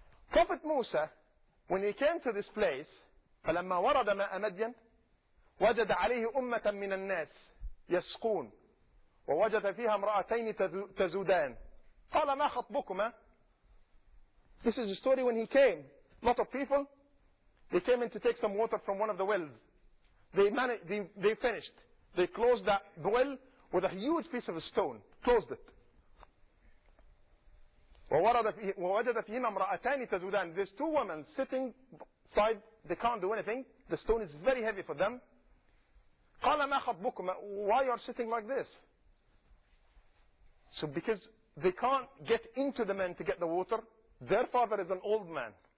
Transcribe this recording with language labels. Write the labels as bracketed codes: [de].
[en] Prophet Musa, when he came to this place, [ar] فلما ورد ماء مدين وجد عليه أمة من الناس يسقون ووجد فيها امرأتين تزودان. قال ما خطبكما. [en] This is the story when he came. Lot of people, they came in to take some water from one of the wells. They finished. They closed that well with a huge piece of a stone. Closed it. [ar] ووجد فيهما امرأتان تزودان. [en] There's two women sitting side. They can't do anything. The stone is very heavy for them. [ar] قال ما خطبكما. [en] Why are you sitting like this? So because they can't get into the men to get the water, their father is an old man.